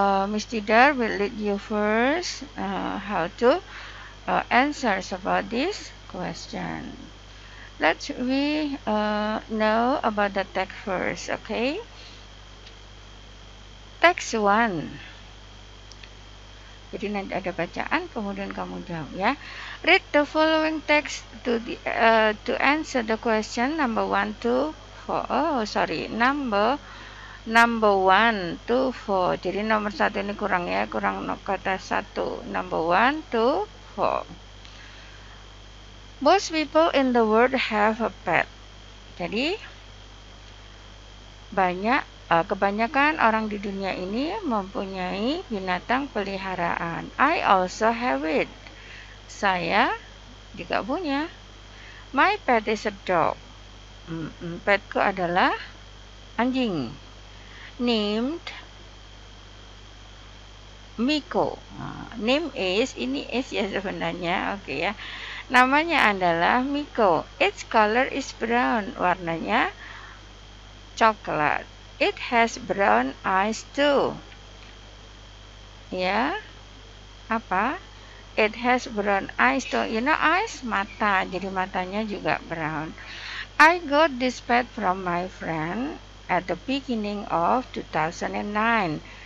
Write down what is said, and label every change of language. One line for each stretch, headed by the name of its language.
English: Miss Tidar will lead you first how to answer about this question. Let's we know about the text first, okay? Text 1.
Indonesian: Jadi nanti ada bacaan, kemudian kamu jawab ya.
English: Read the following text to answer the question number 1 to 4. Oh, sorry. Number 1 to 4.
Indonesian: Jadi nomor 1 ini kurang ya, kurang kata 1.
English: Number 1 to 4. Most people in the world have a pet.
Indonesian: Jadi banyak kebanyakan orang di dunia ini mempunyai binatang peliharaan.
English: I also have it.
Indonesian: Saya juga punya.
English: My pet is a dog.
Indonesian: Petku adalah anjing.
English: Named Miko. Name is,
Indonesian: ini is ya sebenarnya. Oke ya. Namanya adalah Miko.
English: Its color is brown.
Indonesian: Warnanya coklat.
English: It has brown eyes too.
Indonesian: Ya. Apa?
English: It has brown eyes too. You know eyes? Mata.
Indonesian: Jadi matanya juga brown.
English: I got this pet from my friend at the beginning of 2009.